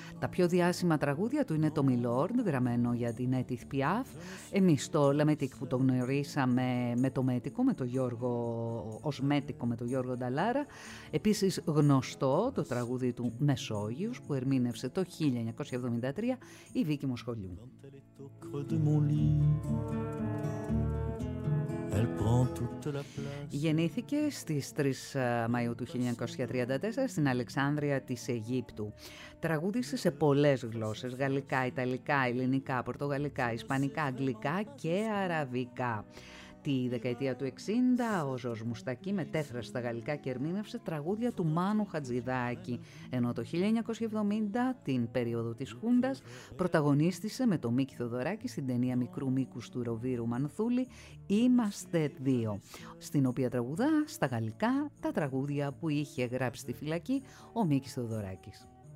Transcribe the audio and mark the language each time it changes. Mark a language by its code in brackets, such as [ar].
[el] Τα πιο διάσημα τραγούδια του είναι το «Μιλόρντ», γραμμένο για την Έτιθ Πιάφ, εμείς το «Λαμετίκ» που το γνωρίσαμε με το Μέτικο, με το Γιώργο, ως Μέτικο με τον Γιώργο Νταλάρα. Επίσης γνωστό το τραγούδι του «Μεσόγειος» που ερμήνευσε το 1973 η Vicky Moscoglio. [fr] Quand elle est au creux de mon lit, elle prend toute la place. [el] Γεννήθηκε στις 3 Μαΐου του 1934 στην Αλεξάνδρεια της Αιγύπτου. Τραγούδησε σε πολλές γλώσσες, γαλλικά, ιταλικά, ελληνικά, πορτογαλικά, ισπανικά, αγγλικά και αραβικά. Τη δεκαετία του 60, ο Ζορζ Μουστακή μετέφρασε στα γαλλικά και ερμήνευσε τραγούδια του Μάνου Χατζηδάκη, ενώ το 1970, την περίοδο της Χούντας, πρωταγωνίστησε με τον Μίκη Θοδωράκη στην ταινία μικρού μήκους του Ροβίρου Μανθούλη «Είμαστε δύο», στην οποία τραγουδά στα γαλλικά τα τραγούδια που είχε γράψει στη φυλακή ο Μίκης Θοδωράκης.